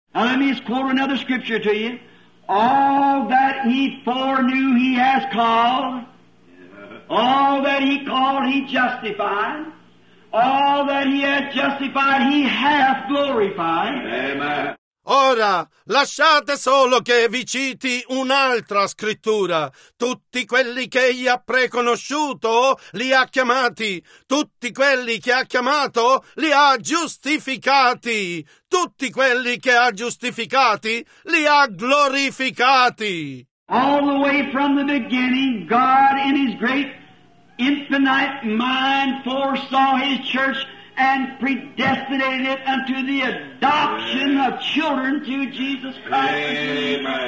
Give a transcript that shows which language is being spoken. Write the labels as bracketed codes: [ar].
[en] Now let me just quote another scripture to you. All that he foreknew he has called. All that he called he justified. All that he hath justified he hath glorified. Amen. [it] Ora, lasciate solo che vi citi un'altra scrittura. Tutti quelli che egli ha preconosciuto li ha chiamati. Tutti quelli che ha chiamato li ha giustificati. Tutti quelli che ha giustificati li ha glorificati. [en] All the way from the beginning, God in his great infinite mind foresaw his church and predestinated it unto the adoption of children to Jesus Christ.